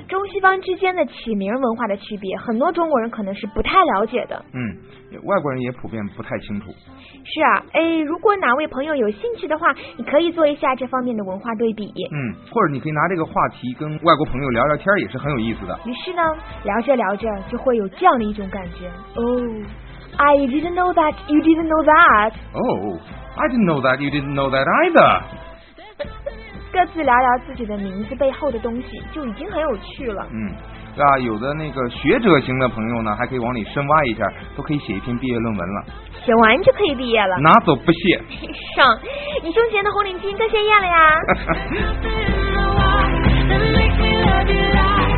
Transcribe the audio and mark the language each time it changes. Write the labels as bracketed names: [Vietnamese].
[Chinese] 西方之间的起名文化的区别，很多中国人可能是不太了解的。嗯，外国人也普遍不太清楚。是啊，哎，如果哪位朋友有兴趣的话，你可以做一下这方面的文化对比。嗯，或者你可以拿这个话题跟外国朋友聊聊天，也是很有意思的。于是呢，聊着聊着就会有这样的一种感觉。 [English] Oh, I didn't know that you didn't know that. Oh, I didn't know that you didn't know that either. [Chinese] 各自聊聊自己的名字背后的东西就已经很有趣了。嗯，是吧？有的那个学者型的朋友呢，还可以往里深挖一下，都可以写一篇毕业论文了。写完就可以毕业了？拿走不谢。上，你胸前的红领巾该谢业了呀。